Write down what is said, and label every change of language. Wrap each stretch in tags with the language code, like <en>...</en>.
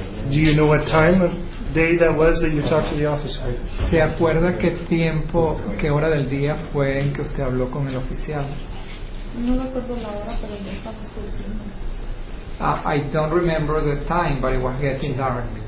<en>Do you know what time of day that was that you talked to the officer?</en> <es>¿Se acuerda qué tiempo, qué hora del día fue en que usted habló con el oficial? No me acuerdo la hora, pero ya estamos cruzando.</es> <en>I don't remember the time, but it was getting dark.</en>